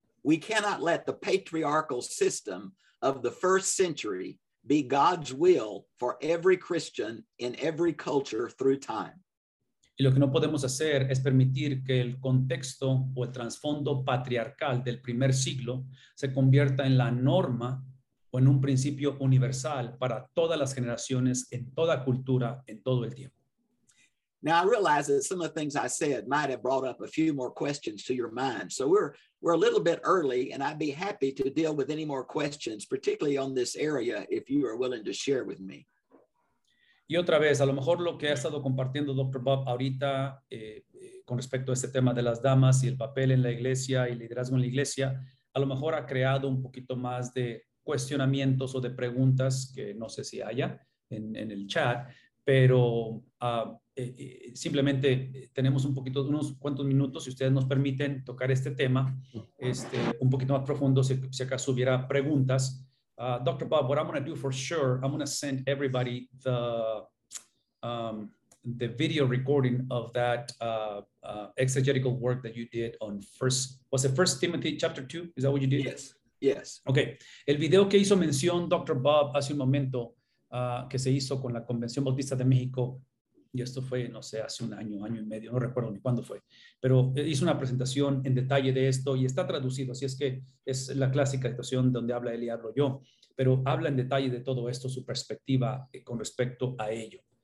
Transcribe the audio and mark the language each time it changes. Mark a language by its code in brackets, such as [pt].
[en] We cannot let the patriarchal system of the first century be God's will for every Christian in every culture through time. [es] Y lo que no podemos hacer es permitir que el contexto o el trasfondo patriarcal del primer siglo se convierta en la norma o en un principio universal para todas las generaciones, en toda cultura, en todo el tiempo. [en] Now I realize that some of the things I said might have brought up a few more questions to your mind. So we're a little bit early, and I'd be happy to deal with any more questions, particularly on this area, if you are willing to share with me. [es] Y otra vez, a lo mejor lo que ha estado compartiendo Dr. Bob ahorita con respecto a este tema de las damas y el papel en la iglesia y liderazgo en la iglesia, a lo mejor ha creado un poquito más de cuestionamientos o de preguntas que no sé si haya en el chat, pero simplemente tenemos un poquito, unos cuantos minutos, si ustedes nos permiten tocar este tema un poquito más profundo, si acaso hubiera preguntas. [en] Dr. Bob, what I'm going to do for sure, I'm going to send everybody the video recording of that exegetical work that you did on First Timothy chapter 2? Is that what you did? Yes, yes. [es] Okay, el video que hizo mención Dr. Bob hace un momento, que se hizo con la Convención Bautista de México, y esto fue, no sé, hace un año, año y medio, no recuerdo ni cuándo fue, pero hizo una presentación en detalle de esto y está traducido, así es que es la clásica situación donde habla él y hablo yo, pero habla en detalle de todo esto, su perspectiva con respecto a ello.